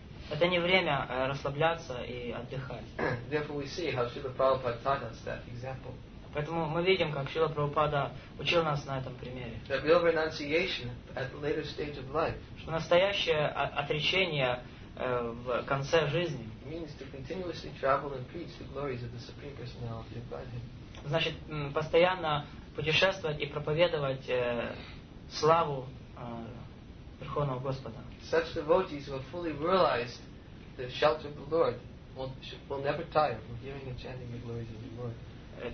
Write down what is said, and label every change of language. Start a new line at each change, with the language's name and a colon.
Russian: Это не время расслабляться и отдыхать.
English: Therefore we see how Srila Prabhupada taught us that example.
Russian: Поэтому мы видим, как Шрила Прабхупада учил нас на этом примере.
English: That real renunciation at a later stage of life.
Russian: Что настоящее отречение в конце жизни.
English: Means to continuously travel and preach the glories of the Supreme Personality of Godhead.
Russian: Значит, постоянно путешествовать и проповедовать славу Верховного Господа.
English: Such devotees who have fully realized the shelter of the Lord will never tire from hearing and chanting the glories of the Lord.